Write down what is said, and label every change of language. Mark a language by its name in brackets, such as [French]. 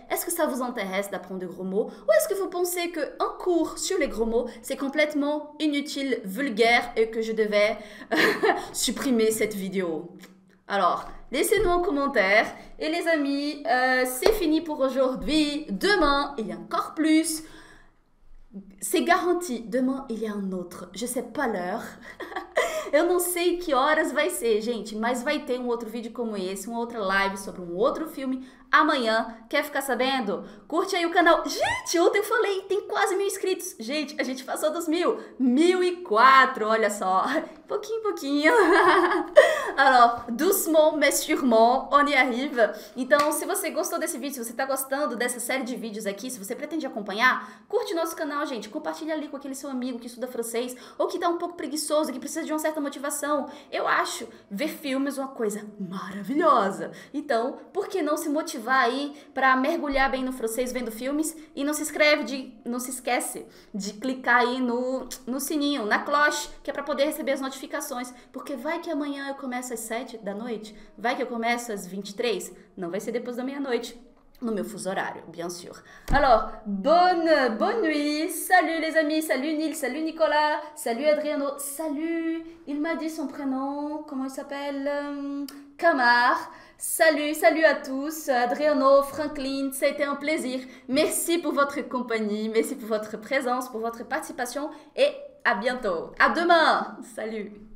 [French] Est-ce que ça vous intéresse d'apprendre de gros mots? Ou est-ce que vous pensez qu'un cours sur les gros mots, c'est complètement inutile, vulgaire et que je devais supprimer cette vidéo? Alors, laissez-nous un commentaire. Et les amis, c'est fini pour aujourd'hui. Demain, il y a encore plus. C'est garanti. Demain, il y a un autre. Je ne sais pas l'heure. [Portuguese] Eu não sei que horas vai ser, gente, mas vai ter um outro vídeo como esse, uma outra live sobre um outro filme amanhã. Quer ficar sabendo? Curte aí o canal. Gente, ontem eu falei, tem quase 1.000 inscritos. Gente, a gente passou dos 1.000. 1.004, olha só. Pouquinho, pouquinho. [French] Alors, doucement, mais sûrement, on y arrive. [Portuguese] Então, se você gostou desse vídeo, se você tá gostando dessa série de vídeos aqui, se você pretende acompanhar, curte nosso canal, gente. Compartilha ali com aquele seu amigo que estuda francês ou que tá um pouco preguiçoso, que precisa de uma certa motivação. Eu acho ver filmes uma coisa maravilhosa. Então, por que não se motivar aí para mergulhar bem no francês vendo filmes? E não se esquece de clicar aí no sininho, na cloche, que é para poder receber as notificações. Porque vai que amanhã eu começo às 7 da noite, vai que eu começo às 23, não vai ser depois da meia-noite no meu fuso horário, [French] bien sûr. Alors, bonne nuit, salut les amis, salut Neil, salut Nicolas, salut Adriano, salut, il m'a dit son prénom, comment il s'appelle? Camar, salut à tous, Adriano, Franklin, ça a été un plaisir. Merci pour votre compagnie, merci pour votre présence, pour votre participation et à bientôt. À demain, salut.